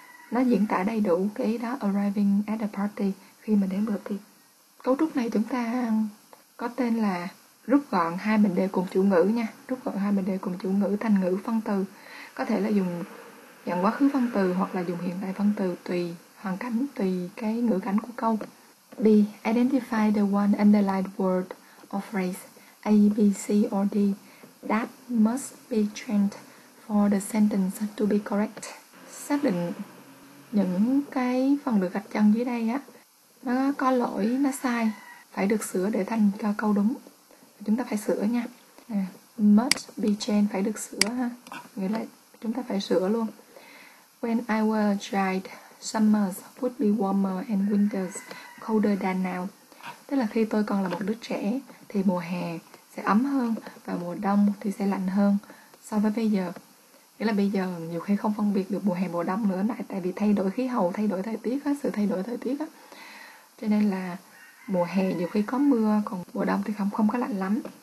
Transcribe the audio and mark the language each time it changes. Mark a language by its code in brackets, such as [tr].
[vi] Nó diễn tả đầy đủ cái ý đó, [en] arriving at a party, [vi] khi mà đến bữa tiệc. Cấu trúc này chúng ta có tên là rút gọn hai mệnh đề cùng chủ ngữ nha, rút gọn hai mệnh đề cùng chủ ngữ thành ngữ phân từ. Có thể là dùng dạng quá khứ phân từ hoặc là dùng hiện tại phân từ, tùy hoàn cảnh, tùy cái ngữ cảnh của câu. B. [en] Identify the one underlined word or phrase A, B, C or D that must be changed for the sentence to be correct. [vi] Xác định những cái phần được gạch chân dưới đây á, nó có lỗi, nó sai, phải được sửa để thành cho câu đúng. Chúng ta phải sửa nha. [en] Must be changed, [vi] phải được sửa ha, nghĩa là chúng ta phải sửa luôn. [en] When I was child, summers would be warmer and winters colder than now. [vi] Tức là khi tôi còn là một đứa trẻ thì mùa hè sẽ ấm hơn và mùa đông thì sẽ lạnh hơn so với bây giờ. Nghĩa là bây giờ nhiều khi không phân biệt được mùa hè mùa đông nữa, lại tại vì thay đổi khí hậu, thay đổi thời tiết á, sự thay đổi thời tiết á. Cho nên là mùa hè nhiều khi có mưa, còn mùa đông thì không không có lạnh lắm.